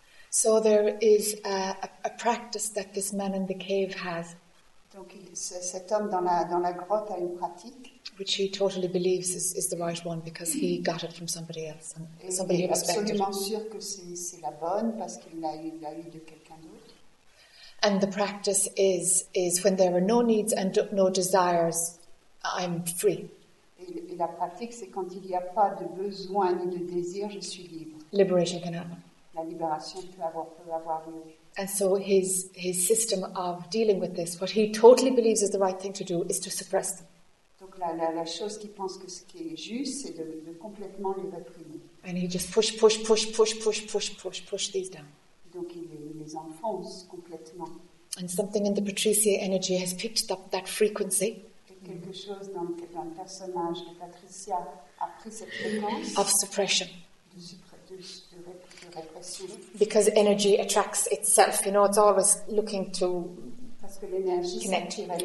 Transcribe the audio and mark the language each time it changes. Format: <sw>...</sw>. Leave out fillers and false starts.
<en>So there is a practice that this man in the cave has.</en> <fr>Donc cet homme dans la grotte a une pratique.</fr> <en>Which he totally believes is the right one because he got it from somebody else. Somebody who respected.</en> <fr>Absolument sûr que c'est la bonne parce qu'il l'a eu de quelqu'un d'autre.</fr> <en>And the practice is when there are no needs and no desires, I'm free.</en> <fr>Et la pratique c'est quand il n'y a pas de besoin ni de désir, je suis libre.</fr> <en>Liberation can happen.</en> <fr>La libération peut avoir lieu.</fr> <en>And so his system of dealing with this, what he totally believes is the right thing to do, is to suppress them.</en> <fr>Donc la chose qu'il pense que ce qui est juste, c'est de complètement les réprimer.</fr> <en>And he just push these down.</en> <fr>Donc il les enfonce complètement.</fr> <en>And something in the Patricia energy has picked up that frequency.</en> <fr>Et quelque chose dans le personnage de Patricia a pris cette fréquence.</fr> <en>Of suppression.</en> <fr>De répression.</fr> <en>Because energy attracts itself, you know, it's always looking to connect.</en>